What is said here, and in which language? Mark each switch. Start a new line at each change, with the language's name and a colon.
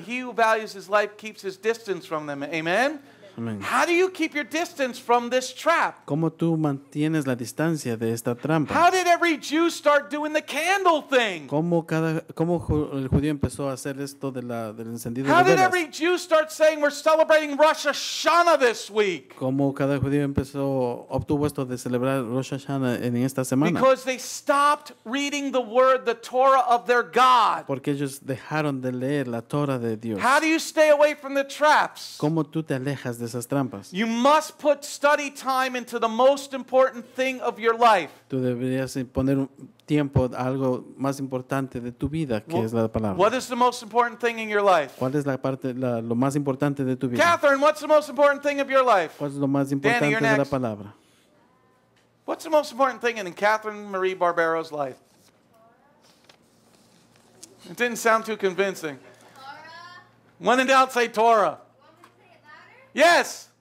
English: He who values his life keeps his distance from them. Amen. How do you keep your distance from this trap?
Spanish: ¿Cómo tú mantienes la distancia de esta trampa?
English: How did every Jew start doing the candle thing?
Spanish: ¿Cómo el judío empezó a hacer esto del encendido de velas?
English: How did every Jew start saying we're celebrating Rosh Hashanah this week?
Spanish: ¿Cómo cada judío obtuvo esto de celebrar Rosh Hashanah en esta semana?
English: Because they stopped reading the word, the Torah of their God.
Spanish: Porque ellos dejaron de leer la Torah de Dios.
English: How do you stay away from the traps?
Spanish: ¿Cómo tú te alejas?
English: You must put study time into the most important thing of your life.
Spanish: Tú deberías poner tiempo a algo más importante de tu vida, que es la palabra.
English: What is the most important thing in your life?
Spanish: ¿Cuál es lo más importante de tu vida?
English: Catherine, what's the most important thing of your life?
Spanish: ¿Cuál es lo más importante
English: Danny,
Spanish: de la palabra?
English: What's the most important thing in Catherine Marie Barbero's life? It didn't sound too convincing. Torah. When in doubt, say Torah. Yes.